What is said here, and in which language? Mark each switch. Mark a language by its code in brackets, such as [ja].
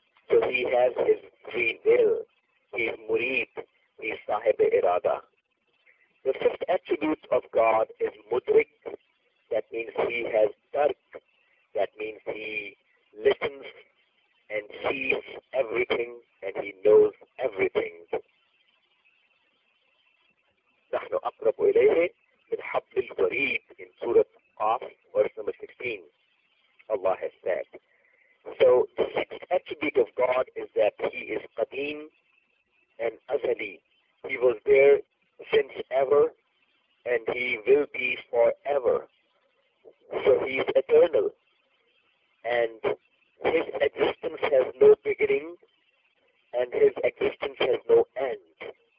[en] So he has his free will, he's murid, he's sahib-e-irada. The fifth attribute of God is mudrik, that means he has dark, that means he listens and sees everything and he knows everything. [ar] نحن أقرب إليه من حبل الوريد [en] in Surah Qaf, verse number 16. Allah has said. So, the sixth attribute of God is that he is Qadim and Azali. He was there since ever and he will be forever. So, he is eternal. And his existence has no beginning and his existence has no end.